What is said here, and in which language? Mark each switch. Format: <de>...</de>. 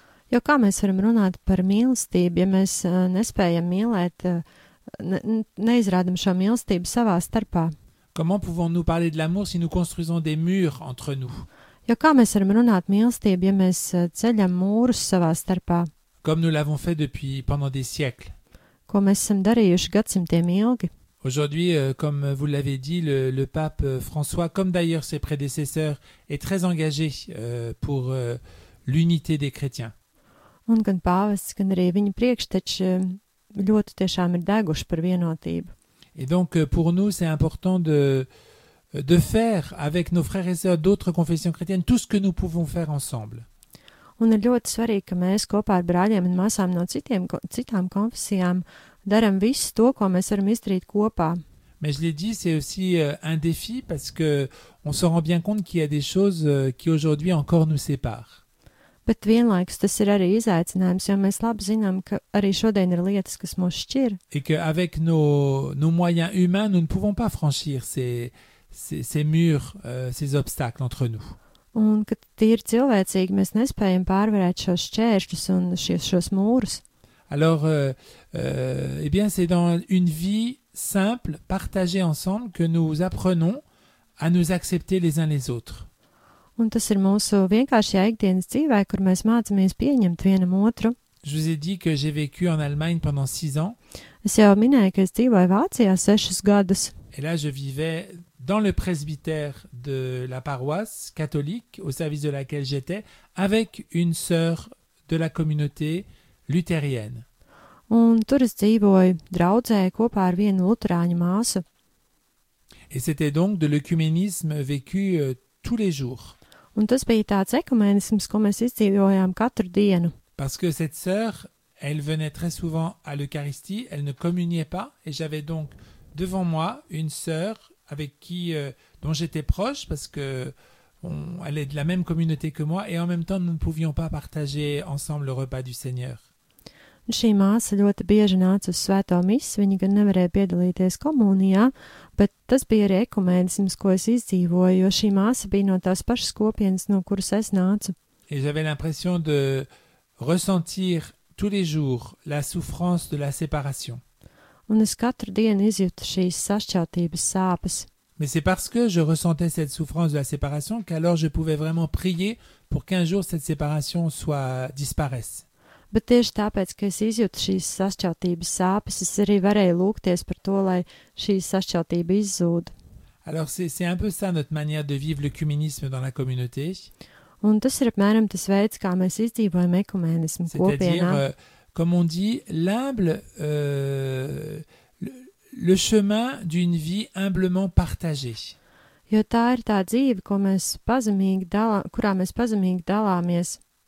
<lv>Jo kā mēs varam runāt par mīlestību, ja mēs nespējam mīlēt, neizrādam šo mīlestību savā starpā?</lv> <fr>Comment pouvons-nous parler de l'amour si nous construisons des murs entre nous?</fr> <lv>Jo kā mēs varam runāt mīlestību, ja mēs ceļam mūrus savā starpā?</lv> <fr>Comme nous l'avons fait depuis pendant des siècles.</fr> <lv>Ko mēs esam darījuši gadsimtiem ilgi?</lv> <fr>Aujourd'hui, comme vous l'avez dit, le pape François, comme d'ailleurs ses prédécesseurs, est très engagé pour l'unité des chrétiens.</fr> <lv>Un gan pāvests, gan arī viņa priekšteči ļoti tiešām ir deguši par vienotību.</lv> <fr>Et donc pour nous c'est important de faire avec nos frères et sœurs d'autres confessions chrétiennes tout ce que nous pouvons faire ensemble.</fr> <lv>Un ir ļoti svarīgi, ka mēs kopā ar brāļiem un māsām no citām konfesijām daram visu to, ko mēs varam izdarīt kopā.</lv> <fr>Mais je l'ai dit, c'est aussi un défi parce que on se rend bien compte qu'il y a des choses qui aujourd'hui encore nous séparent.</fr> <lv>Bet vienlaikus tas ir arī izaicinājums, jo mēs labi zinām, ka arī šodien ir lietas, kas mūs šķir.</lv> <fr>Et que avec nos moyens humains, nous ne pouvons pas franchir ces murs, ces obstacles entre nous.</fr> <lv>Un, kad tie ir cilvēcīgi, mēs nespējam pārvarēt šos šķēršļus un šos mūrus.</lv> <fr>Alors, eh bien, c'est dans une vie simple, partagée ensemble, que nous apprenons à nous accepter les uns les autres.</fr> <lv>Un tas ir mūsu vienkāršajā ikdienas dzīvē, kur mēs mācāmies pieņemt vienam otru.</lv> <fr>Je vous ai dit que j'ai vécu en Allemagne pendant 6 ans.</fr> <lv>Es jau minēju, ka es dzīvoju Vācijā 6 gadus.</lv> <fr>Et là, je vivais dans le presbytère de la paroisse catholique au service de laquelle j'étais avec une sœur de la communauté luthérienne.</fr> <lv>Un tur es dzīvoju draudzē kopā ar vienu luterāņu māsu.</lv> <fr>Et c'était donc de l'œcuménisme vécu tous les jours.</fr> <lv>Un tas bija tāds ekumenisms, ko mēs izdzīvojām katru dienu.</lv> <fr>Parce que cette sœur, elle venait très souvent à l'Eucharistie, elle ne communiait pas, et j'avais donc devant moi une sœur avec qui, dont j'étais proche, parce que bon, elle est de la même communauté que moi, et en même temps, nous ne pouvions pas partager ensemble le repas du Seigneur.</fr> <lv>Šī māsa ļoti bieži nāca uz svēto misi, viņa gan nevarēja piedalīties komunijā, bet tas bija arī ekumenisms, ko es izdzīvoju, jo šī māsa bija no tās pašas kopienas, no kuras es nācu.</lv> <fr>Et j'avais l'impression de ressentir tous les jours la souffrance de la séparation.</fr> <lv>Un es katru dienu izjūtu šīs sašķeltības sāpes.</lv> <fr>Mais c'est parce que je ressentais cette souffrance de la séparation qu'alors je pouvais vraiment prier pour qu'un jour cette séparation soit disparaisse.</fr> <lv>Bet tieši tāpēc, ka es izjūtu šīs sašķeltības sāpes, es arī varēju lūgties par to, lai šī sašķeltība izzūd.</lv> <fr>Alors c'est un peu ça notre manière de vivre l'œcuménisme dans la communauté.</fr> <lv>Un tas ir apmēram tas veids, kā mēs izdzīvojam ekumenismu kopienā.</lv> <fr>Comme on dit, l'humble, le chemin d'une vie humblement partagée.</fr> <lv>Jo tā ir tā dzīve, ko mēs pazemīgi dalā, kurā mēs pazemīgi dalāmies.</lv>